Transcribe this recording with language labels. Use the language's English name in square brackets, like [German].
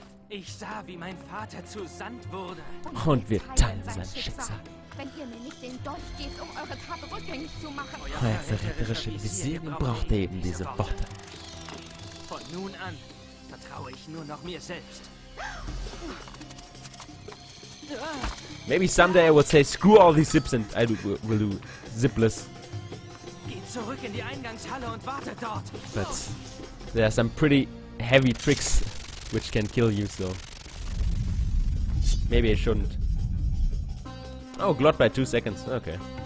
[German] Ich sah, wie mein Vater zu Sand wurde. Und wir teilen sein Schicksal. Wenn ihr mir nicht den Dolch gebt, um eure Tat rückgängig zu machen. Euer verräterische Visierung brauchte eben diese Worte. Von nun an vertraue ich nur noch mir selbst. [English] Maybe someday I will say, screw all these zips and I will do zipless. [German] Geht zurück in die Eingangshalle und wartet dort. [English] But there are some pretty heavy tricks which can kill you, so maybe I shouldn't. Oh, glot by 2 seconds, okay.